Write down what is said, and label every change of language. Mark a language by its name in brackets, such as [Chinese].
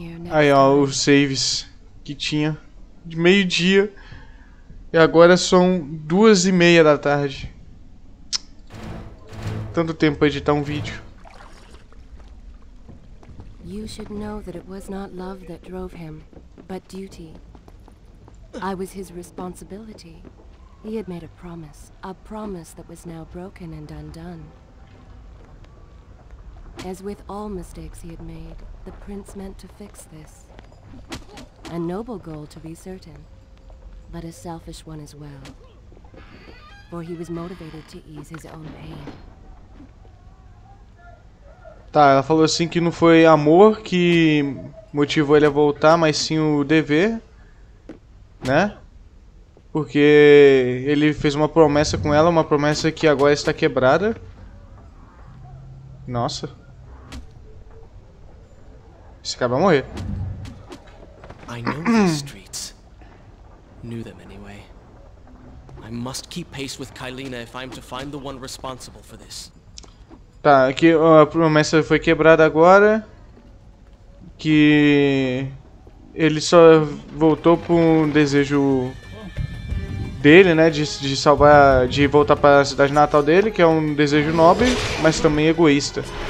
[Portuguese] Aí, ó, os saves que tinha de meio-dia. E agora são 2:30 da tarde. Tanto tempo pra editar um vídeo. [English] You should know that it was not love that drove him, but duty. I was his responsibility. He had made a promise that was now broken and undone. As with all mistakes he had made, the prince meant to fix this. A noble goal, to be certain, but a selfish one as well. For he was motivated to ease his own pain. [Portuguese] Tá, ela falou assim que não foi amor que motivou ele a voltar, mas sim o dever, né? Porque ele fez uma promessa com ela, uma promessa que agora está quebrada. Nossa. Esse cara vai morrer. [English] I know these streets. Knew them anyway. I must keep pace with Kailina if I'm to find the one responsible for this. [Portuguese] Tá, aqui a promessa foi quebrada agora. Que ele só voltou por um desejo dele, né, de salvar, de voltar para a cidade natal dele, que é um desejo nobre, mas também egoísta.